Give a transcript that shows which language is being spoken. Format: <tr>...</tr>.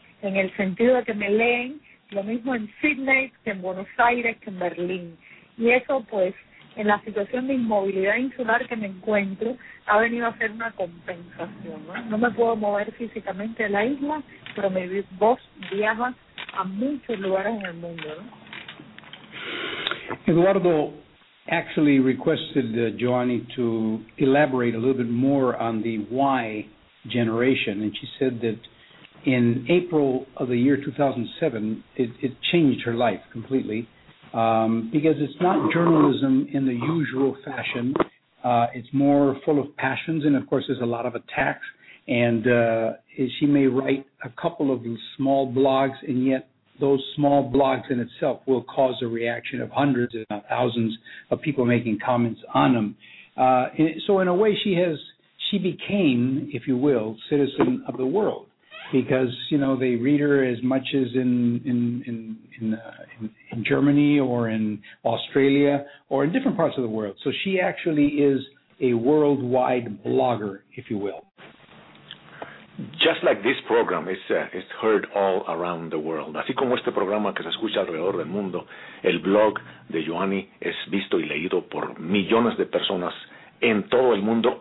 <es>En el sentido de que me leen lo mismo en Sydney que en Buenos Aires que en Berlín. Y eso, pues, en la situación de inmovilidad insular que me encuentro, ha venido a ser una compensación, ¿no? No me puedo mover físicamente de la isla, pero mi voz viaja a muchos lugares en el mundo, ¿no?</es> <en>Eduardo actually requested Joanny to elaborate a little bit more on the why generation, and she said that in April of the year 2007, it changed her life completely, because it's not journalism in the usual fashion. It's more full of passions, and of course, there's a lot of attacks, and she may write a couple of small blogs, and yet those small blogs in itself will cause a reaction of hundreds and thousands of people making comments on them. So in a way, she became, if you will, citizen of the world, because, you know, they read her as much as in Germany or in Australia or in different parts of the world. So she actually is a worldwide blogger, if you will. Just like this program, it's heard all around the world.</en> <es>Así como este programa que se escucha alrededor del mundo, el blog de Joanny es visto y leído por millones de personas en todo el mundo.</es>